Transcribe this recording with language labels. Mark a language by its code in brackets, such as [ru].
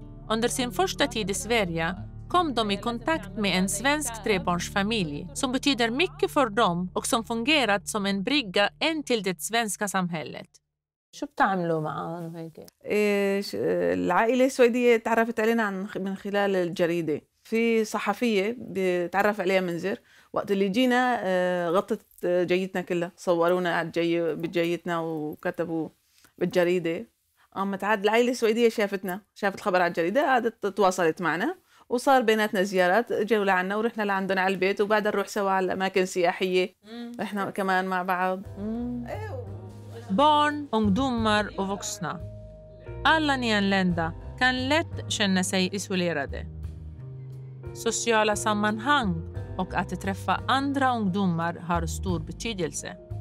[sv] Under sin första tid i Sverige kom de i kontakt med en svensk trebarnsfamilj som betyder mycket för dem och som fungerat som en brygga in till det svenska samhället. [ar] شو بتعملوا معهم هيك؟ إيه العائلة السويدية تعرفت علينا من خلال الجريدة. في صحفية بتعرف عليها منزر، وقت اللي جينا غطت جيتنا كلها، صورونا بجيتنا وكتبوا بالجريدة. قامت عاد العائلة السويدية شافت الخبر على الجريدة، عادت تواصلت معنا وصار بيناتنا زيارات، جاوا لعنا ورحنا لعندهم على البيت، وبعدها نروح سوا على أماكن سياحية احنا كمان مع بعض. [sv] Barn, ungdomar och vuxna. Alla nyanlända kan lätt känna sig isolerade. Sociala sammanhang och att träffa andra ungdomar har stor betydelse.